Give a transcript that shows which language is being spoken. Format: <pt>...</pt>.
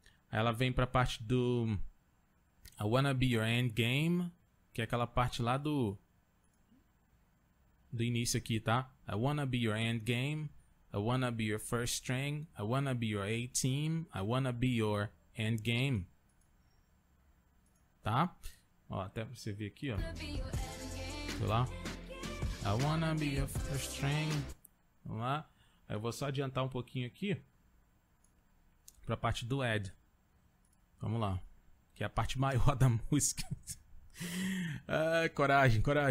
<pt>Ela vem pra parte do</pt> <en>I wanna be your end game,</en> <pt>que é aquela parte lá do início aqui, tá? I wanna be your end game.</pt> <en>I wanna be your first string. I wanna be your A team. I wanna be your end game. Tá?</en> <pt>Ó, até você ver aqui, ó. Vê lá.</pt> <en>I wanna be your first string.</en> <pt>Vamos lá. Eu vou só adiantar um pouquinho aqui pra parte do add. Vamos lá. Que é a parte maior da música. Coragem.</pt>